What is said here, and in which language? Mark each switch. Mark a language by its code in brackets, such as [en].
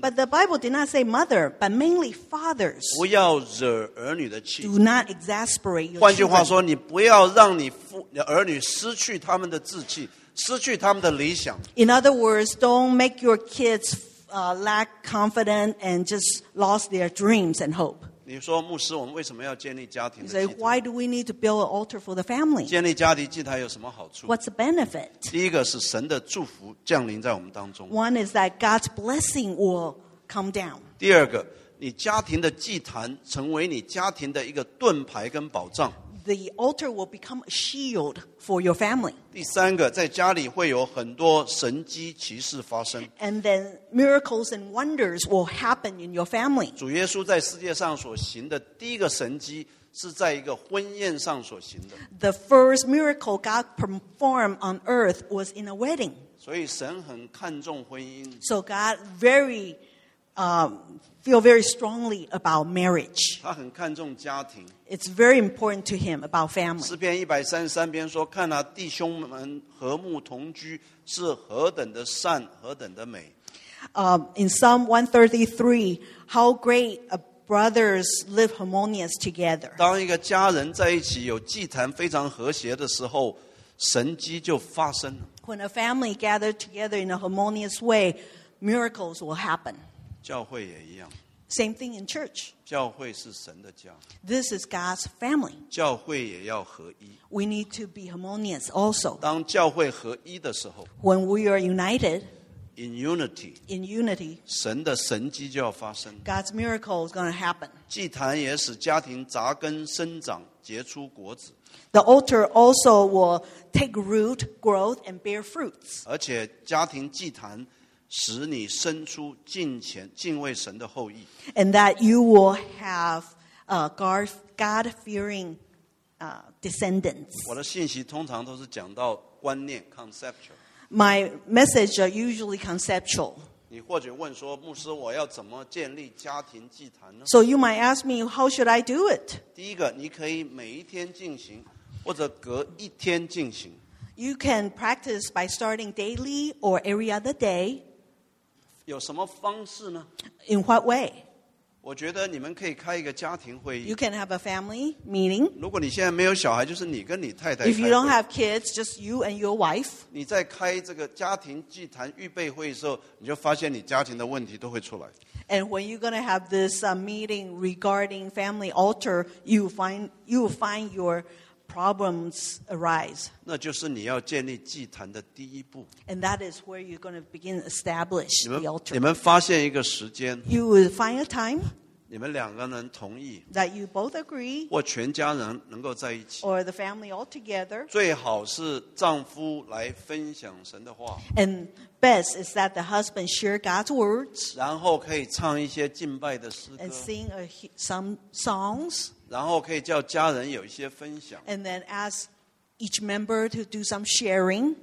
[en] But the Bible did not say mother, but mainly fathers. [zh] 不要惹儿女的气。 [en] Do not exasperate your [zh] 换句话说,你不要让你儿女失去他们的志气,失去他们的理想。 [en] In other words, don't make your kids lack confidence and just lost their dreams and hope. [zh] 你说牧师我们为什么要建立家庭的祭坛? [en] You say, why do we need to build an altar for the family? [zh] 建立家庭祭坛有什么好处? [en] What's the benefit? [zh] 第一个是神的祝福降临在我们当中。 [en] One is that God's blessing will come down. [zh] 第二个, 你家庭的祭坛成为你家庭的一个盾牌跟保障。 [en] the altar will become a shield for your family. [zh] 第三个, 在家里会有很多神迹奇事发生。 [en] And then miracles and wonders will happen in your family. [zh] 主耶稣在世界上所行的第一个神迹 是在一个婚宴上所行的。 [en] The first miracle God performed on earth was in a wedding. [zh] 所以神很看重婚姻。 [en] So God very feel very strongly about marriage. [zh] 他很看重家庭。 [en] It's very important to him about family. [zh] 诗篇133篇说, 看啊,弟兄们和睦同居, 是何等的善,何等的美。 [en] In Psalm 133, how great a brothers live harmonious together. [zh] 当一个家人在一起有祭坛非常和谐的时候, 神迹就发生了。 [en] When a family gathered together in a harmonious way, miracles will happen. [zh] 教会也一样。 [en] Same thing in church. [zh] 教会是神的家。 [en] This is God's family. [zh] 教会也要合一。 [en] We need to be harmonious also. [zh] 当教会合一的时候, [en] when we are united, in unity, in unity, [zh] 神的神迹就要发生。 [en] God's miracle is going to happen. [zh] 祭坛也使家庭扎根生长结出果子。 [en] The altar also will take root, growth, and bear fruits. [zh] 而且家庭祭坛 使你生出敬虔敬畏神的后裔。 [en] And that you will have God-fearing descendants. [zh] 我的信息通常都是讲到观念, conceptual. [en] My message are usually conceptual. [zh] 你或者问说, 牧师, 我要怎么建立家庭祭坛呢? [en] So you might ask me, how should I do it? [zh] 第一个, 你可以每一天进行, 或者隔一天进行。 [en] You can practice by starting daily or every other day. [zh] 有什么方式呢? [en] In what way? [zh] 我觉得你们可以开一个家庭会议。 [en] You can have a family meeting. [zh] 如果你现在没有小孩, 就是你跟你太太开会。 [en] If you don't have kids, just you and your wife. [zh] 你在开这个家庭祭坛预备会议的时候, 你就发现你家庭的问题都会出来。 [en] And when you're going to have this meeting regarding family altar, you find your problems arise. [zh] 那就是你要建立祭坛的第一步。 [en] And that is where you're going to begin to establish the altar. [zh] 你们发现一个时间, [en] you will find a time [zh] 你们两个人同意, [en] that you both agree, [zh] 或全家人能够在一起, [en] or the family all together. [zh] 最好是丈夫来分享神的话。 [en] And best is that the husband share God's words, [zh] 然后可以唱一些敬拜的诗歌, [en] and sing some songs. [zh] 然后可以叫家人有一些分享。 [en] And then ask each member to do some sharing.